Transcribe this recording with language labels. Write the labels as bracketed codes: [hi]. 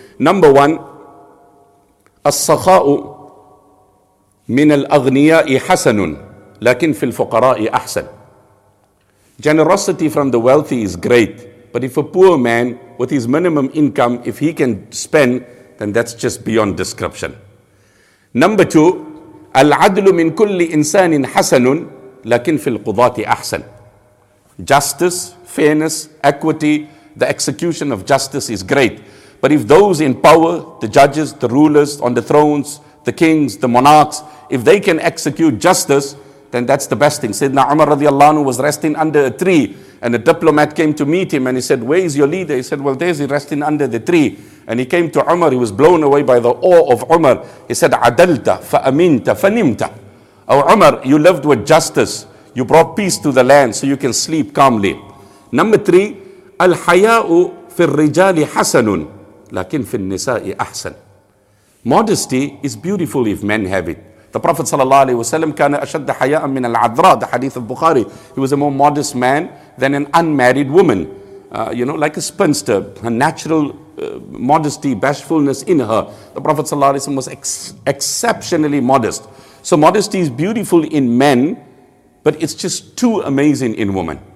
[en] Number one, [ar] as-sakha'u min al-aghniya'i hasanun, lakin fil fuqara'i ahsan. [en] Generosity from the wealthy is great, but if a poor man with his minimum income, if he can spend, then that's just beyond description. Number two, [ar] العدل من كل إنسان حسن لكن في القضاة أحسن. [en] Justice, fairness, equity, the execution of justice is great. But if those in power, the judges, the rulers on the thrones, the kings, the monarchs, if they can execute justice, then that's the best thing. Sayyidina Umar radiallahu anhu was resting under a tree and a diplomat came to meet him and he said, where is your leader? He said, well, there's he resting under the tree. And he came to Umar, he was blown away by the awe of Umar. He said, [ar] عَدَلْتَ فَأَمِنْتَ فَنِمْتَ. [en] Oh Umar, you lived with justice. You brought peace to the land so you can sleep calmly. Number three, [ar] الْحَيَاءُ فِي الرِّجَالِ حَسَنٌ لَكِنْ فِي النِّسَاءِ أَحْسَنٌ. [en] Modesty is beautiful if men have it. The Prophet sallallahu alaihi wasallam [ar] كان أشد حياء من العذراء, [en] the hadith of Bukhari. He was a more modest man than an unmarried woman. You know, like a spinster, her natural modesty, bashfulness in her. The Prophet sallallahu alaihi wasallam was exceptionally modest. So modesty is beautiful in men, but it's just too amazing in women.